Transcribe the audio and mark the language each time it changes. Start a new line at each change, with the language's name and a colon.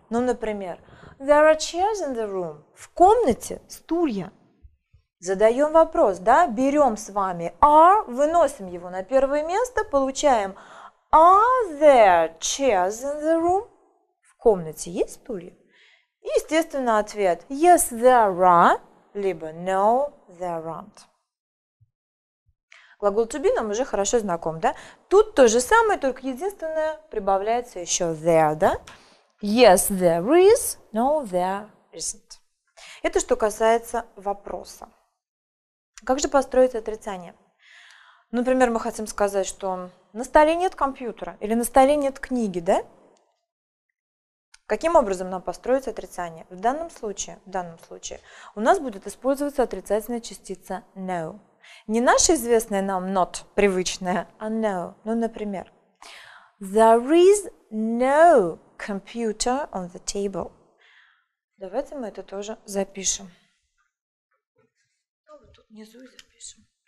Russian: Ну, например,
English: there are chairs in the room.
Russian: В комнате стулья. Задаем вопрос, да? Берем с вами are, выносим его на первое место, получаем
English: are there chairs in the room?
Russian: В комнате есть стулья? Естественно, ответ
English: yes, there are, либо no, there aren't.
Russian: Глагол to be нам уже хорошо знаком, да? Тут то же самое, только единственное, прибавляется еще there, да?
English: Yes, there is, no, there isn't.
Russian: Это что касается вопроса. Как же построить отрицание? Например, мы хотим сказать, что на столе нет компьютера или на столе нет книги, да? Каким образом нам построить отрицание? В данном случае у нас будет использоваться отрицательная частица no. Не наша известная нам not, привычная, а no. Ну, например,
English: there is no computer on the table.
Russian: Давайте мы это тоже запишем. Ну, вот тут внизу и запишем.